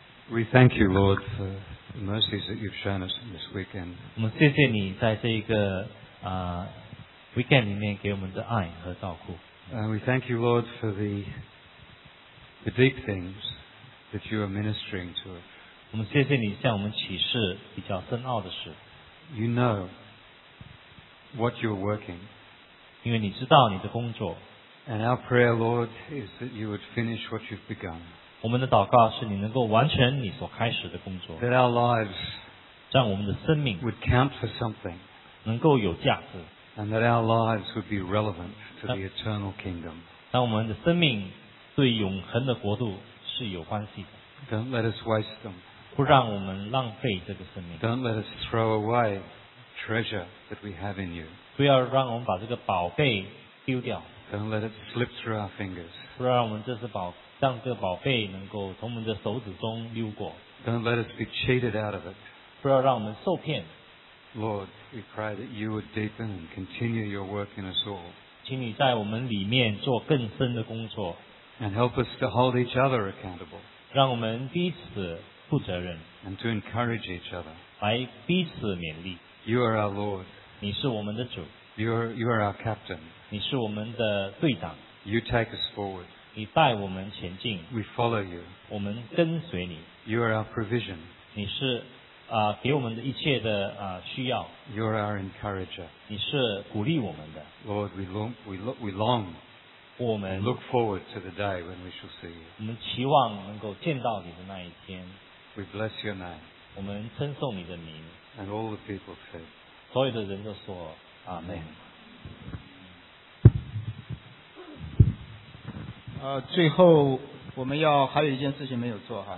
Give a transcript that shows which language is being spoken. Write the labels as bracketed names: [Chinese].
[English] We thank you, Lord, for the mercies that you've shown us this weekend. [Chinese] 我们谢谢你在这一个weekend 里面给我们的爱和照顾。 [English] We thank you, Lord, for the deep things that you are ministering to us. [Chinese] 我们谢谢你向我们启示比较深奥的事。 [English] You know what you're working. [Chinese] 因为你知道你的工作。 [English] And our prayer, Lord, is that you would finish what you've begun. [Chinese] 我们的祷告是你能够完成你所开始的工作。 [English] That our lives, [Chinese] 让我们的生命 [English] would count for something. [Chinese] 能够有价值。 [English] And that our lives would be relevant to the eternal kingdom. [Chinese] 让我们的生命对永恒的国度是有关系的。 [English] Don't let us waste them. [Chinese] 不让我们浪费这个生命。 [English] Don't let us throw away treasure that we have in you. [Chinese] 不要让我们把这个宝贝丢掉。 [English] Don't let it slip through our fingers. [Chinese] 不让我们让这个宝贝能够从我们的手指中溜过。 [English] Don't let us be cheated out of it. [Chinese] 不要让我们受骗。 [English] Lord, we pray that you would deepen and continue your work in us all. [Chinese] 请你在我们里面做更深的工作。 [English] And help us to hold each other accountable. [Chinese] 让我们彼此负责任。 [English] And to encourage each other. [Chinese] 来彼此勉励。 [English] You are our Lord. [Chinese] 你是我们的主。 [English] You are our captain. [Chinese] 你是我们的队长。 [English] You take us forward. [Chinese] 你带我们前进。 [English] We follow you. [Chinese] 我们跟随你。 [English] You are our provision. [Chinese] 你是给我们的一切的需要。 [English] You are our encourager. [Chinese] 你是鼓励我们的。 [English] Lord, we long. [Chinese] 我们 [English] look forward to the day when we shall see you. [Chinese] 我们期望能够见到你的那一天。 [English] We bless your name. [Chinese] 我们称颂你的名。 [English] And all the people say. [Chinese] 所有的人都说阿门。最后我们要还有一件事情没有做哈。